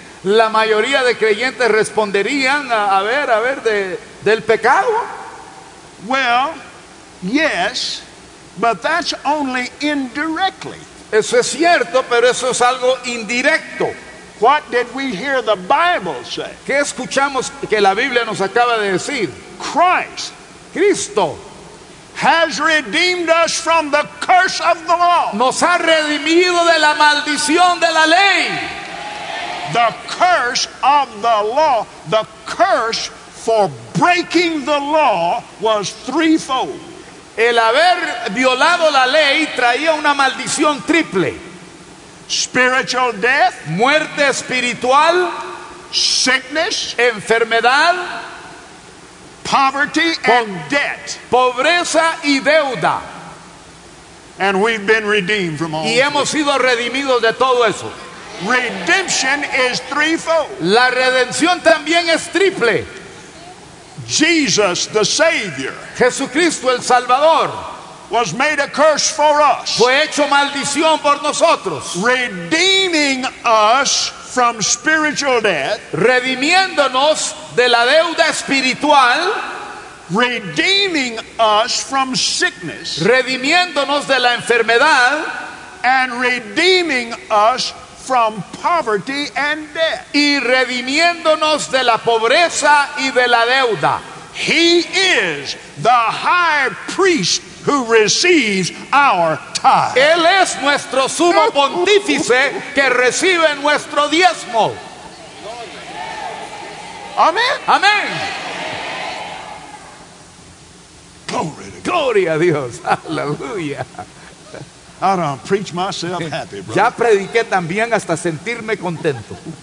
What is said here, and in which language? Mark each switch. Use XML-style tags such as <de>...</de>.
<es>La mayoría de creyentes responderían, a ver, del pecado.</es> <en>Well, yes, but that's only indirectly.</en> <es>Eso es cierto, pero eso es algo indirecto.</es> <en>What did we hear the Bible say?</en> <es>¿Qué escuchamos que la Biblia nos acaba de decir?</es> <en>Christ,</en> <es>Cristo,</es> <en>has redeemed us from the curse of the law.</en> <es>Nos ha redimido de la maldición de la ley.</es> <en>The curse of the law, the curse for breaking the law was threefold.</en> <es>El haber violado la ley traía una maldición triple.</es> <en>Spiritual death,</en> <es>muerte espiritual,</es> <en>sickness,</en> <es>enfermedad,</es> <en>poverty and debt,</en> <es>pobreza y deuda.</es> <en>And we've been redeemed from all.</en> <es>Y hemos sido redimidos de todo eso.</es> <en>Redemption is threefold.</en> <es>La redención también es triple.</es> <en>Jesus the Savior,</en> <es>Jesucristo el Salvador,</es> <en>was made a curse for us.</en> <es>Fue hecho maldición por nosotros.</es> <en>Redeeming us from spiritual debt,</en> <es>redimiéndonos de la deuda espiritual,</es> <en>redeeming us from sickness,</en> <es>redimiéndonos de la enfermedad,</es> <en>and redeeming us from poverty and debt,</en> <es>y redimiéndonos de la pobreza y de la deuda.</es> <en>He is the high priest who receives our tithe.</en> <es>Él es nuestro sumo pontífice que recibe nuestro diezmo. Amen. Amen.</es> <en>Glory to God.</en> <es>Glory a Dios. Hallelujah.</es> <en>I don't preach myself happy, brother.</en> <es>Ya prediqué también hasta sentirme contento.</es>